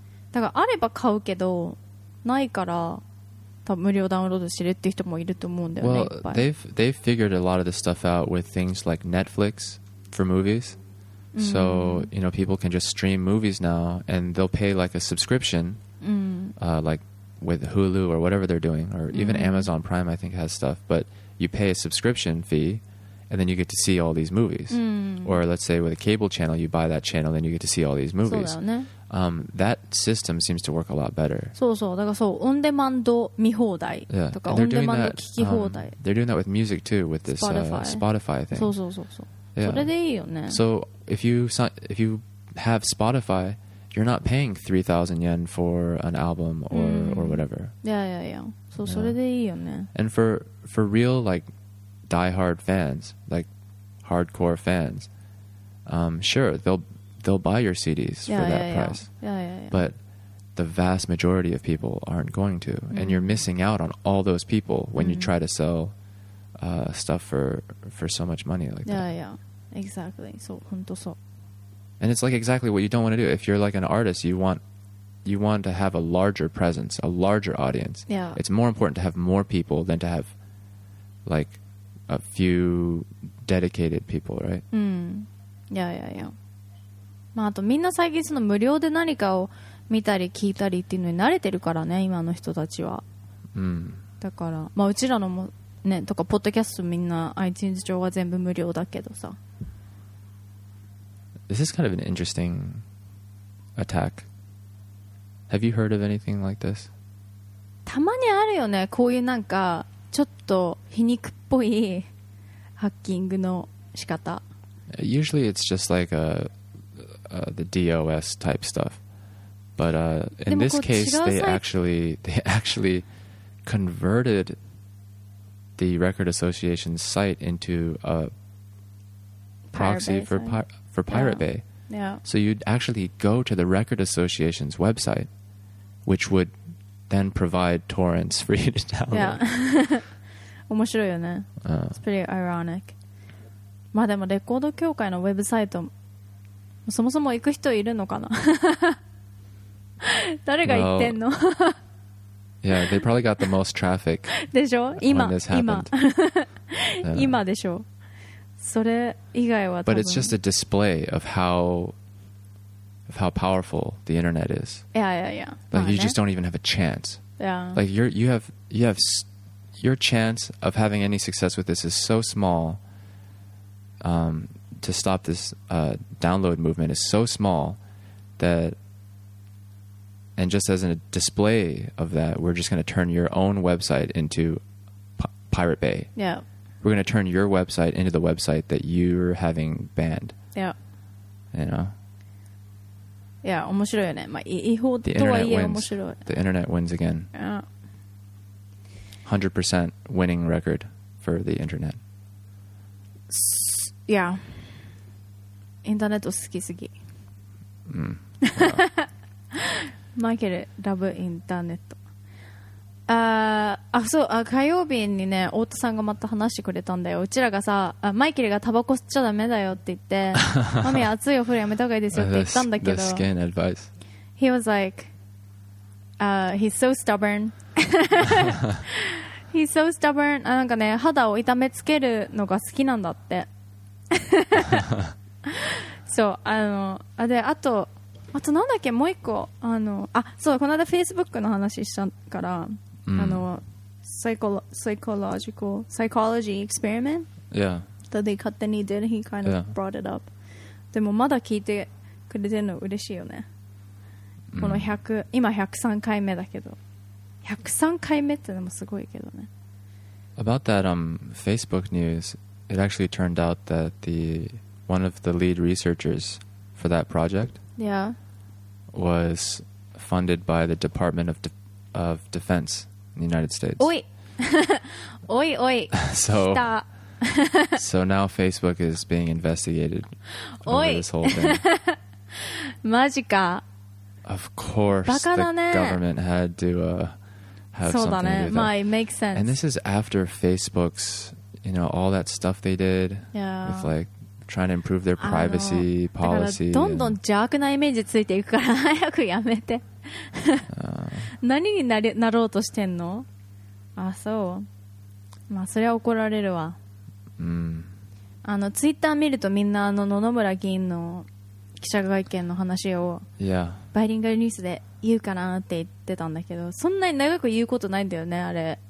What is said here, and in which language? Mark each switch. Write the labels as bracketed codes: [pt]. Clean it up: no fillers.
[ja] だからあれば買うけど、ないから多分無料ダウンロードしてるって人もいると思うんだよね。 [en] Well, they've figured a lot of this stuff out with things like Netflix for movies. So, you know, people can just stream movies now and they'll pay like a subscription, like with Hulu or whatever they're doing, or even Amazon Prime I think has stuff, but you pay a subscription fee. And then you get to see all these movies. Or let's say with a cable channel, you buy that channel, then you get to see all these movies. [ja] そうだよね。 [en] That system seems to work a lot better. [ja] そうそう。だからそう、オンデマンド見放題とか、オンデマンド聞き放題。 [en] They're doing that with music too, with this Spotify thing. [ja] そうそうそうそう。それでいいよね。 [en] So if you have Spotify, you're not paying 3,000 yen for an album or whatever. [ja] Yeah, yeah, yeah. そう、それでいいよね。 [en] And for real, like,die-hard fans, like hardcore fans, sure, they'll buy your CDs for that price. But the vast majority of people aren't going to, and you're missing out on all those people when you try to sell stuff for so much money like yeah, that. Yeah, yeah, exactly. So, [ja] 本当そう. [en] And it's like exactly what you don't want to do. If you're like an artist, you want to have a larger presence, a larger audience. Yeah. It's more important to have more people than to have, like,A few dedicated people, right? Yeah, yeah, yeah. [ja] まああとみんな最近その無料で何かを見たり聞いたりっていうのに慣れてるからね、今の人たちは。だから、まあうちらのもねとかポッドキャストみんな iTunes 上は全部無料だけどさ。 [en] This is kind of an interesting attack. Have you heard of anything like this? [ja] たまにあるよね、こういうなんか。ちょっと皮肉っぽいハッキングの仕方。 [en] Usually it's just like the DOS type stuff. But in this case, they actually converted the Record Association's site into a proxy for Pirate Bay. Yeah. So you'd actually go to the Record Association's website, which would then provide torrents for you to download. Yeah. [ja] 面白いよね。 [en] It's pretty ironic. [ja] まあでもレコード協会のウェブサイト、そもそも行く人いるのかな。誰が行ってんの。 [en] Well, yeah, they probably got the most traffic. [ja] でしょ。今でしょ。それ以外は。 [en] But it's just a display of how powerful the internet is. Yeah, yeah, yeah. Like you just don't even have a chance. Yeah. Like you have. Your chance of having any success with this is so small. To stop this download movement is so small that, and just as a display of that, we're just going to turn your own website into Pirate Bay. Yeah. We're going to turn your website into the website that you're having banned. Yeah. You know? [ja] Yeah, 面白いよね。まあ、違法とはいえ面白い。 [en] The internet wins again. Yeah. 100% winning record for the internet. Yeah. [ja] インターネット好きすぎ。マイケル、ラブインターネット。火曜日にね、太田さんがまた話してくれたんだよ。うちらがさ、マイケルがタバコ吸っちゃダメだよって言って、マミ、熱いお風呂やめた方がいいですよって言ったんだけど。 [en] The skin advice. He was like, he's so stubborn. He's so stubborn. [ja] あ、なんかね、肌を痛めつけるのが好きなんだって。そう、あとなんだっけ、もう一個、そう、この間 Facebook の話したから、あの、サイコロジー experiment? [en] Yeah. that they 勝手に did, he kind of brought it up. [ja] でもまだ聞いてくれてるの嬉しいよね。この100、今103回目だけど。 103回目ってのもすごいけどね。 [en] About that Facebook news, it actually turned out that one of the lead researchers for that project was funded by the Department of Defense in the United States. Oi! Oi, oi! So now Facebook is being investigated over this whole thing. [ja] マジか。 [en] Of course, [ja] バカだね。 [en] The government had to have something to do with that. It makes sense. And this is after Facebook's, you know, all that stuff they did with like trying to improve their privacy policy. [ja] だからどんどん邪悪なイメージついていくから早くやめて。何になれ、なろうとしてんの？あ、そう。まあそれは怒られるわ。ツイッター見るとみんな野々村議員の記者会見の話をバイリンガルニュースで言うかなって言ってたんだけど、そんなに長く言うことないんだよね、あれ。